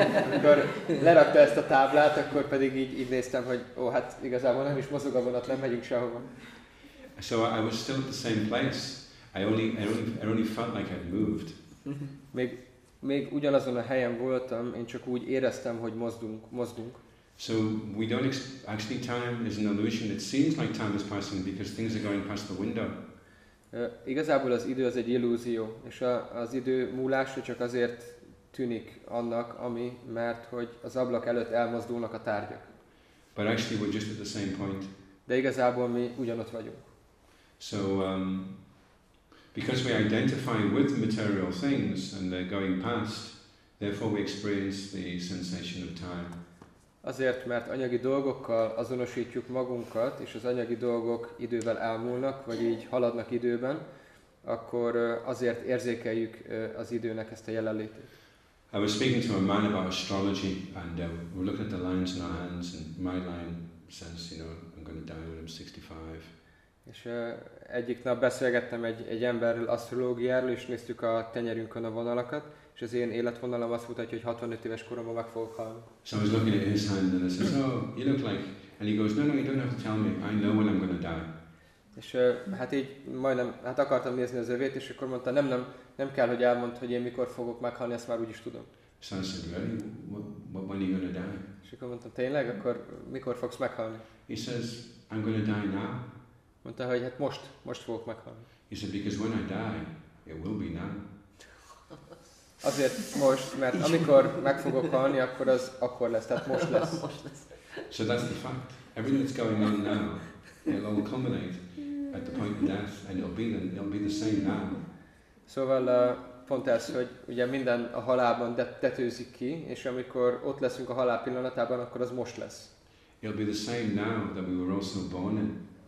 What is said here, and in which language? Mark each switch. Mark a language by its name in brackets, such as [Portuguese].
[Hungarian] Amikor lerakta ezt a táblát, akkor pedig így néztem, hogy ó, hát igazából nem is mozog a vonat, nem megyünk sehova. [English] So I was still at the same place. I only felt like I'd moved. [Hungarian] Még ugyanazon a helyen voltam, én csak úgy éreztem, hogy mozdunk. [English] So we don't actually time is an illusion. It seems like time is passing because things are going past the window. [Hungarian] Igazából az idő az egy illúzió, és az idő múlása csak azért tűnik annak, ami, mert hogy az ablak előtt elmozdulnak a tárgyak. [English] But actually we're just at the same point. [Hungarian] De igazából mi ugyanott vagyunk. [English] So because we identify with material things and they're going past, therefore we experience the sensation of time. [Hungarian] Azért, mert anyagi dolgokkal azonosítjuk magunkat, és az anyagi dolgok idővel elmúlnak, vagy így haladnak időben, akkor azért érzékeljük az időnek ezt a jelenlétét. [English] I was speaking to a man about astrology, and we're looking at the lines in our hands, and my line says, you know, I'm going to die when I'm 65. [Hungarian] És egyik nap beszélgettem egy emberről asztrológiáról, és néztük a tenyerünkön a vonalakat, és az én életvonalam azt mutatja, hogy 65 éves koromban meg fogok halni. [English] So I was looking at his hand, and I said, oh, you look like... And he goes, no, you don't have to tell me, I know when I'm going to die. [Hungarian] És hát így majdnem, hát akartam nézni az övét, és akkor mondta, nem kell, hogy elmondd, hogy én mikor fogok meghalni, ezt már úgyis tudom. [English] So I said, really? When are you going to die? [Hungarian] És akkor mondtam, tényleg? Akkor mikor fogsz meghalni? [English] He says, I'm going to die now. [Hungarian] Mondta, hogy hát most fogok meghalni. [English] He said, because when I die, it will be now. [Hungarian] Azért most, mert amikor meg fogok halni, akkor az akkor lesz, tehát most lesz. [English] So that's the fact. Everything that's going on now, it will culminate. at the point of death, and it'll be the same now. [Hungarian] Szóval pont ez, hogy ugye minden a halálban tetőzik ki, és amikor ott leszünk a halál pillanatában, akkor az most lesz. [English] It'll be the same now that we were also born in.